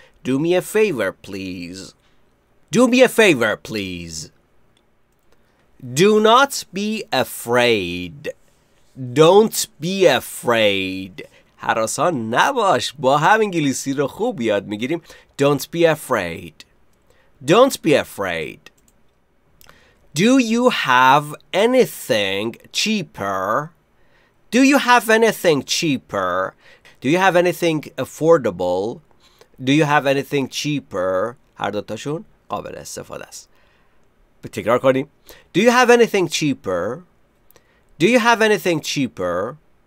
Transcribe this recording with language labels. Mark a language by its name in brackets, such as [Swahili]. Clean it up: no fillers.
[English] Do me a favor, please. Do me a favor, please. Do not be afraid. Don't be afraid. [Persian] حراسان نباش. با هم انگلیسی رو خوب یاد میگیریم. [English] Don't be afraid. Don't be afraid. Do you have anything cheaper? Do you have anything cheaper? Do you have anything affordable? Do you have anything cheaper? [Persian] هر دوتاشون قابل استفاده است. تکرار کنیم. [English] Do you have anything cheaper? Do you have anything cheaper?